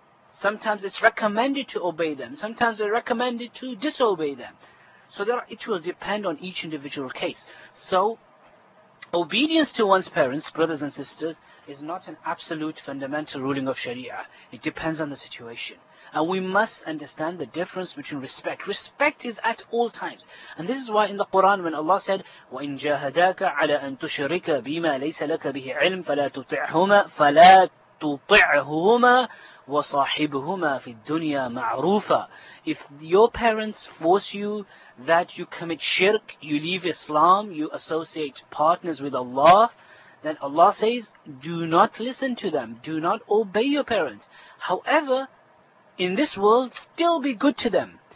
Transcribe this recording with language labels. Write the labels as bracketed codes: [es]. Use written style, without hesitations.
[en] Sometimes it's recommended to obey them. Sometimes it's recommended to disobey them. So it will depend on each individual case. So obedience to one's parents, brothers and sisters, is not an absolute fundamental ruling of Sharia. It depends on the situation. And we must understand the difference between respect. Respect is at all times. And this is why in the Quran when Allah said, [ar] وَإِن جَاهَدَاكَ عَلَىٰ أَن تُشْرِكَ بِمَا لَيْسَ لَكَ بِهِ عِلْمٍ فَلَا تُطِعْهُمَا وَصَاحِبْهُمَا فِي الدُّنْيَا مَعْرُوفًا. [en] If your parents force you that you commit shirk, you leave Islam, you associate partners with Allah, then Allah says, do not listen to them, do not obey your parents. However, in this world, still be good to them.